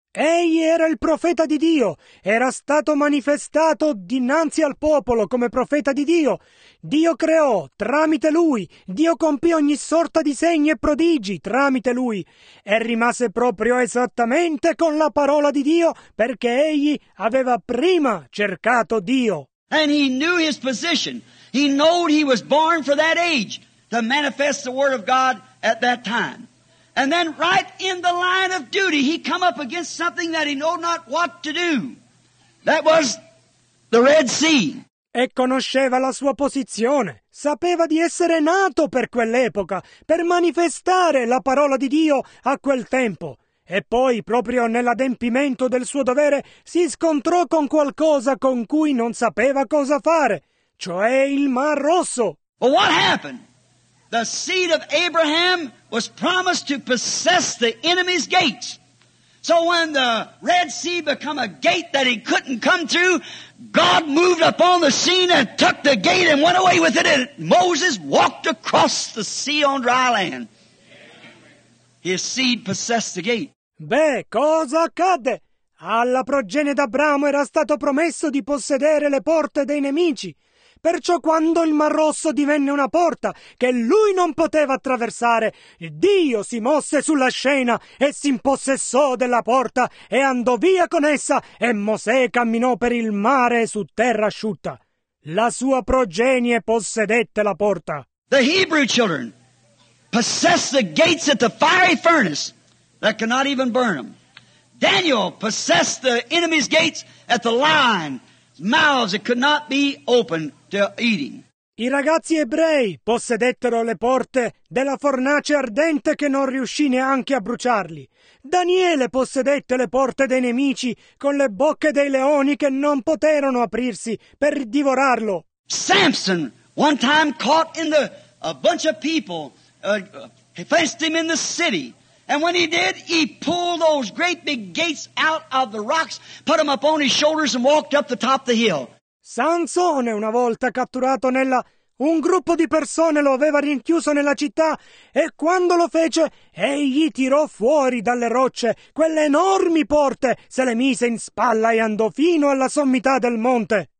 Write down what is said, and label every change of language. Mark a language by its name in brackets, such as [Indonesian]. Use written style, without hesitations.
[Italian] Egli era il profeta di Dio, era stato manifestato dinanzi al popolo come profeta di Dio. Dio creò tramite lui, Dio compì ogni sorta di segni e prodigi tramite lui, e rimase proprio esattamente con la parola di Dio perché egli aveva prima cercato Dio. [English] And he knew his position. He knew he was born for that age to manifest the word of God at that time. And then right in the line of duty, he come up against something that he knew not what to do. That was the Red Sea. [Italian] E conosceva la sua posizione. Sapeva di essere nato per quell'epoca, per manifestare la parola di Dio a quel tempo. E poi, proprio nell'adempimento del suo dovere, si scontrò con qualcosa con cui non sapeva cosa fare, cioè il Mar Rosso. [English] Well, what happened? The seed of Abraham was promised to possess the enemy's gates. So when the Red Sea became a gate that he couldn't come through, God moved upon the scene and took the gate and went away with it, and Moses walked across the sea on dry land. His seed possessed the gate. [Italian] Beh, cosa accadde? Alla progenie d'Abramo era stato promesso di possedere le porte dei nemici. Perciò quando il Mar Rosso divenne una porta che lui non poteva attraversare, Dio si mosse sulla scena e si impossessò della porta e andò via con essa, e Mosè camminò per il mare su terra asciutta. La sua progenie possedette la porta. [English] The Hebrew children possessed the gates at the fiery furnace that cannot even burn them. Daniel possessed the enemy's gates at the lion's mouths that could not be opened to eat him. [Italian] I ragazzi ebrei possedettero le porte della fornace ardente che non riuscì neanche a bruciarli. Daniele possedette le porte dei nemici con le bocche dei leoni che non poterono aprirsi per divorarlo. [English] Samson, one time caught in the a bunch of people, faced him in the city. And when he did, he pulled those great big gates out of the rocks, put them up on his shoulders and walked up the top of the hill. [Italian] Sansone, una volta catturato nella... un gruppo di persone lo aveva rinchiuso nella città e quando lo fece, egli tirò fuori dalle rocce quelle enormi porte, se le mise in spalla e andò fino alla sommità del monte.